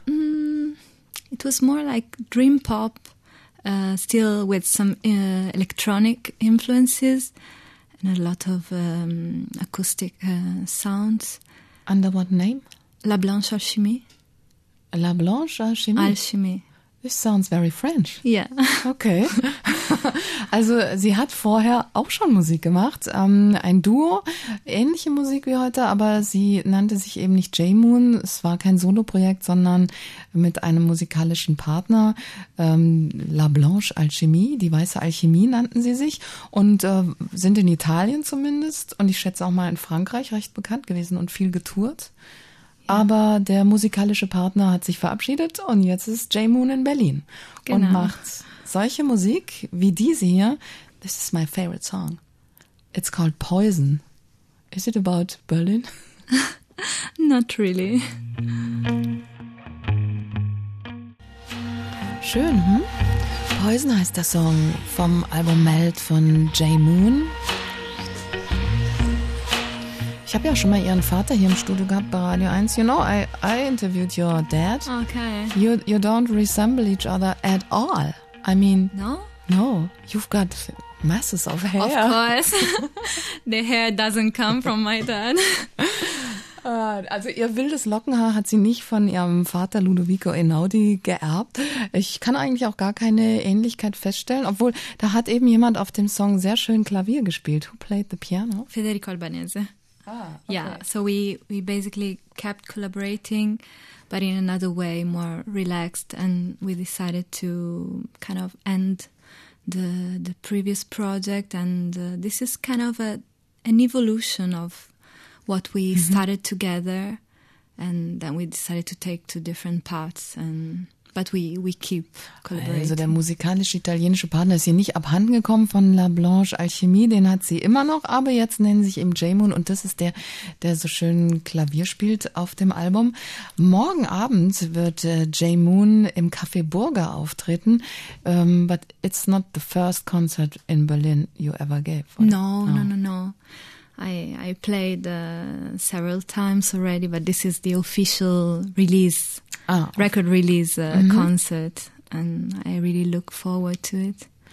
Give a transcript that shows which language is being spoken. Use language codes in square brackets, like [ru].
[en] It was more like dream pop, still with some electronic influences and a lot of acoustic sounds. Under what name? La Blanche Alchimie. La Blanche Alchimie? Alchimie. This sounds very French. Yeah. Okay. [de] Also sie hat vorher auch schon Musik gemacht, ein Duo, ähnliche Musik wie heute, aber sie nannte sich eben nicht Jay Moon, es war kein Soloprojekt, sondern mit einem musikalischen Partner, La Blanche Alchimie, die Weiße Alchemie nannten sie sich und sind in Italien zumindest und ich schätze auch mal in Frankreich recht bekannt gewesen und viel getourt. Aber der musikalische Partner hat sich verabschiedet und jetzt ist Jay Moon in Berlin. Genau. Und macht solche Musik wie diese hier. [en] This is my favorite song. It's called Poison. Is it about Berlin? Not really. [de] Schön, hm? Poison heißt der Song vom Album Melt von Jay Moon. Ich habe ja schon mal ihren Vater hier im Studio gehabt bei Radio 1. [en] You know, I interviewed your dad. Okay. You don't resemble each other at all. I mean... No? No. You've got masses of hair. Of course. The hair doesn't come from my dad. [de] Also ihr wildes Lockenhaar hat sie nicht von ihrem Vater Ludovico Einaudi geerbt. Ich kann eigentlich auch gar keine Ähnlichkeit feststellen, obwohl da hat eben jemand auf dem Song sehr schön Klavier gespielt. [en] Who played the piano? Federico Albanese. Ah, okay. Yeah, so we basically kept collaborating, but in another way, more relaxed. And we decided to kind of end the previous project. And this is kind of an evolution of what we started together. And then we decided to take two different paths. But we keep collaborating. [de] Also der musikalisch-italienische Partner ist hier nicht abhanden gekommen von La Blanche Alchemie. Den hat sie immer noch, aber jetzt nennen sie sich eben J-Moon. Und das ist der, der so schön Klavier spielt auf dem Album. Morgen Abend wird J-Moon im Café Burger auftreten. [en] But it's not the first concert in Berlin you ever gave. No. I played several times already, but this is the official release, record release concert, and I really look forward to it.